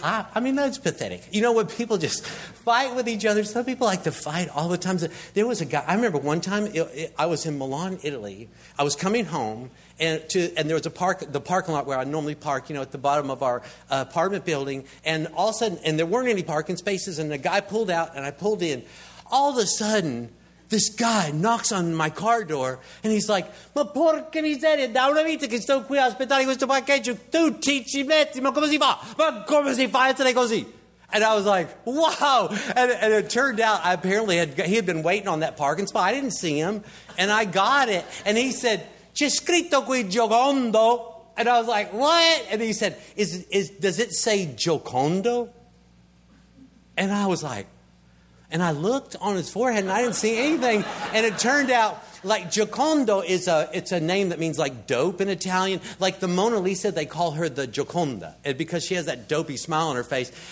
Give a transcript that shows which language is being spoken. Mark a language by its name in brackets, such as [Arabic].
[English] I mean, that's pathetic. You know, when people just fight with each other, some people like to fight all the time. There was a guy... I remember one time I was in Milan, Italy. I was coming home, and there was a park, the parking lot where I normally park, you know, at the bottom of our apartment building. And all of a sudden, and there weren't any parking spaces, and the guy pulled out, and I pulled in. All of a sudden... [Italian] this guy knocks on my car door, and he's like, ma porca miseria, da una vita che sto qui a aspettare questo parcheggio, tu ti ci metti, ma come si fa? Ma come si fa essere così? [English] And I was like, wow. And it turned out I apparently he had been waiting on that parking spot. I didn't see him, and I got it. [Italian] And he said, c'è scritto qui Giocondo. [English] And I was like, what? And he said, does it say Giocondo? And I was like, and I looked on his forehead and I didn't see anything. And it turned out like Giocondo is it's a name that means like dope in Italian. Like the Mona Lisa, they call her the Gioconda because she has that dopey smile on her face.